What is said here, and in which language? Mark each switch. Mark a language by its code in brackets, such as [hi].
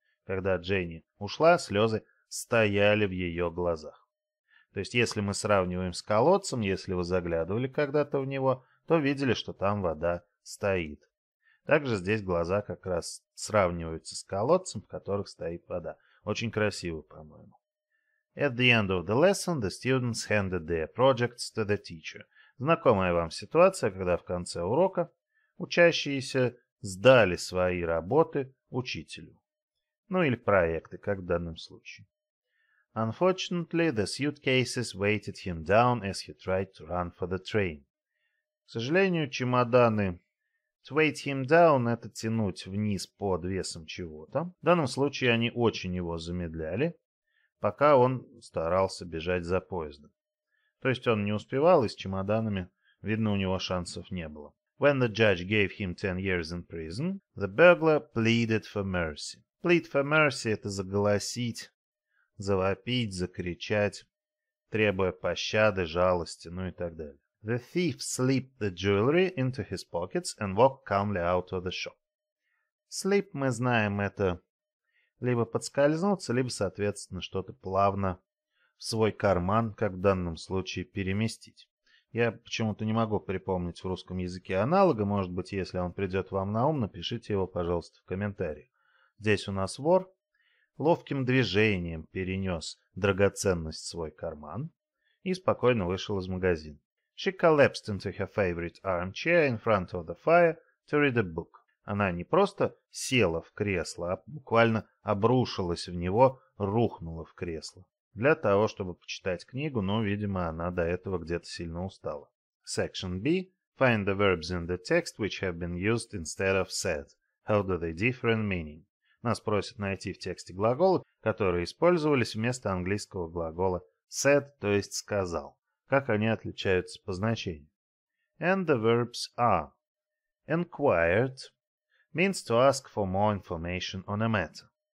[ru] Когда Дженни ушла, слезы стояли в ее глазах. То есть, если мы сравниваем с колодцем, если вы заглядывали когда-то в него, то видели, что там вода стоит. Также здесь глаза как раз сравниваются с колодцем, в которых стоит вода. Очень красиво, по-моему. [en] At the end of the lesson, the students handed their projects to the teacher. [ru] Знакомая вам ситуация, когда в конце урока учащиеся сдали свои работы учителю. Ну или проекты, как в данном случае. [en] Unfortunately, the suitcases weighted him down as he tried to run for the train. [ru] К сожалению, чемоданы... [en] To weight him down [ru] — это тянуть вниз под весом чего-то. В данном случае они очень его замедляли, пока он старался бежать за поездом. То есть он не успевал, и с чемоданами, видно, у него шансов не было. [en] When the judge gave him 10 years in prison, the burglar pleaded for mercy. Plead for mercy [ru] — это заголосить... Завопить, закричать, требуя пощады, жалости, ну и так далее. [en] The thief slipped the jewelry into his pockets and walked calmly out of the shop. [ru] Slip, мы знаем, это либо подскользнуться, либо, соответственно, что-то плавно в свой карман, как в данном случае, переместить. Я почему-то не могу припомнить в русском языке аналога, может быть, если он придет вам на ум, напишите его, пожалуйста, в комментарии. Здесь у нас вор. Ловким движением перенес драгоценность в свой карман и спокойно вышел из магазина. [en] She collapsed into her favorite armchair in front of the fire to read a book. [ru] Она не просто села в кресло, а буквально обрушилась в него, рухнула в кресло. Для того, чтобы почитать книгу, но, видимо, она до этого где-то сильно устала. [en] Section B. Find the verbs in the text which have been used instead of said. How do they differ in meaning? [ru] Нас просят найти в тексте глаголы, которые использовались вместо английского глагола said, то есть сказал. Как они отличаются по значению? [en] And the verbs are. Inquired means to ask for more information on a matter.